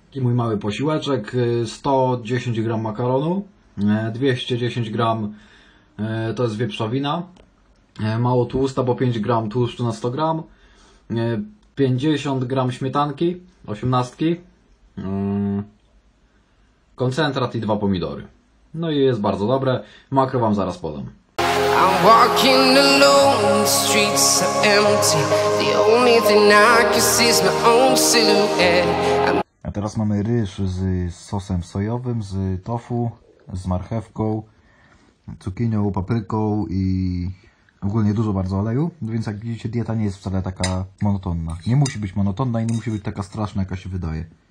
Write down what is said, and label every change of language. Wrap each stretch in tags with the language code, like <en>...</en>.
<pl>I mój mały posiłeczek, 110 gram makaronu, 210 gram to jest wieprzowina, mało tłusta, bo 5 gram tłuszczu na 100 gram, 50 gram śmietanki, 18, koncentrat i 2 pomidory. No i jest bardzo dobre, makro wam zaraz podam.</pl> <en>I'm walking alone, the streets are empty. The only thing I can see is my own silhouette.</en> <pl>A teraz mamy ryż z sosem sojowym, z tofu, z marchewką, cukinią, papryką i ogólnie dużo bardzo oleju. Więc jak widzicie, dieta nie jest wcale taka monotonna. Nie musi być monotonna i nie musi być taka straszna, jaka się wydaje.</pl>